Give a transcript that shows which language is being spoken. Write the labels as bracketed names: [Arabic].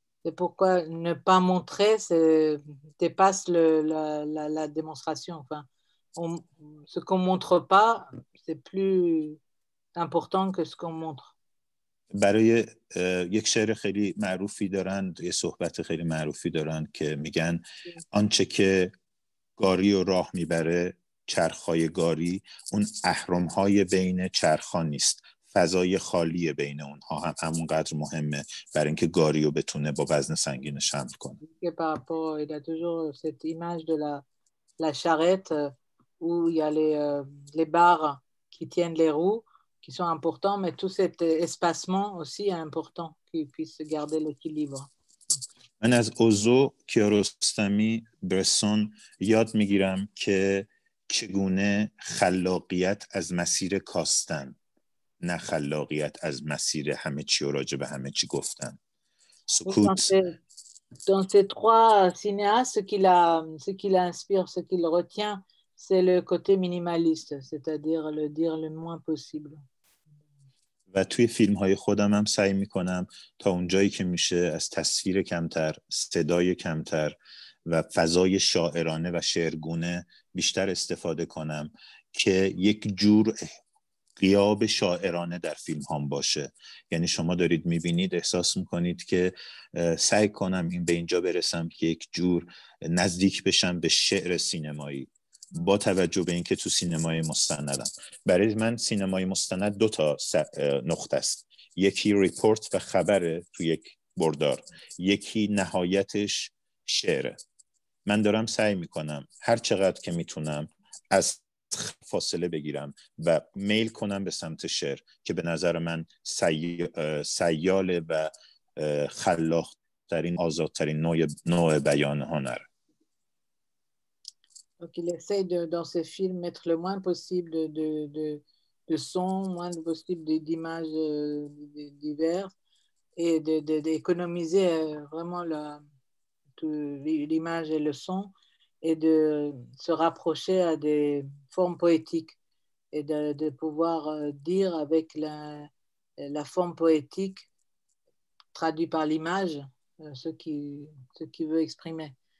[French] C'est pourquoi ne pas montrer dépasse la démonstration. Enfin, ce qu'on montre pas, c'est plus important que ce qu'on montre. [Persian] برای یک شعر خیلی معروفی دارند، یه صحبت خیلی معروفی دارند که میگن آنچه که گاری و راه میبره چرخهای گاری، اون اهرم‌های بین چرخ نیست. فضای خالی بین اونها هم همونقدر مهمه برای اینکه گاریو بتونه با وزن سنگین شمل کنه. [French] پاپو il a toujours cette image de la charrette où il y a les barres qui tiennent les roues qui sont importants mais tout cet espacement aussi est important qui puisse garder l'équilibre. [Persian] من از اوزو، کیاروستمی، برسون یاد میگیرم که چگونه خلاقیت از مسیر کاستن، نه خلاقیت از مسیر همه چی و راجع به همه چی گفتن. سکوت. [French] Dans ces trois cinéastes, ce qu'il inspire, ce qu'il retient, c'est le côté minimaliste, c'est-à-dire le dire le moins possible. [Persian] و توی فیلم های خودم هم سعی میکنم تا اونجایی که میشه از تصویر کمتر، صدای کمتر و فضای شاعرانه و شعرگونه بیشتر استفاده کنم که یک جور قیاب شاعرانه در فیلم هم باشه یعنی شما دارید میبینید احساس میکنید که سعی کنم این به اینجا برسم که یک جور نزدیک بشم به شعر سینمایی با توجه به اینکه تو سینمای مستندم برای من سینمای مستند دو تا نقطه است یکی ریپورت و خبره تو یک بردار یکی نهایتش شعره من دارم سعی میکنم هر چقدر که میتونم از فاصله بگیرم و میل کنم به سمت شعر که به نظر من سیال و خلاق ترین آزاد ترین نوع بیان هنر [French] Donc il essaie de, dans ses films mettre le moins possible de sons, moins possible d'images diverses et d'économiser vraiment l'image et le son et de se rapprocher à des formes poétiques et de pouvoir dire avec la forme poétique traduite par l'image ce qui veut exprimer.